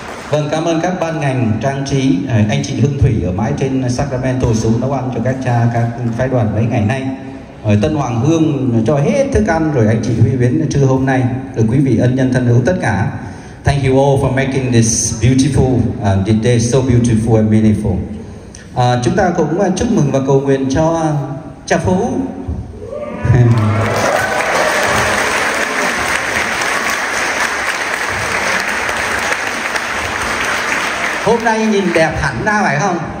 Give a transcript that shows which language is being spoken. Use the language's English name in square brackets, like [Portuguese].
[Vietnamese] Vâng, cảm ơn các ban ngành trang trí, anh chị Hương Thủy ở mãi trên Sacramento xuống nấu ăn cho các cha, các phái đoàn mấy ngày nay. Rồi Tân Hoàng Hương cho hết thức ăn, rồi anh chị Huy Viễn trưa hôm nay, rồi quý vị ân nhân thân hữu tất cả. [English] Thank you all for making this beautiful day so beautiful and meaningful. [Vietnamese] Chúng ta cũng chúc mừng và cầu nguyện cho cha Phú. Hôm nay nhìn đẹp hẳn ra phải không?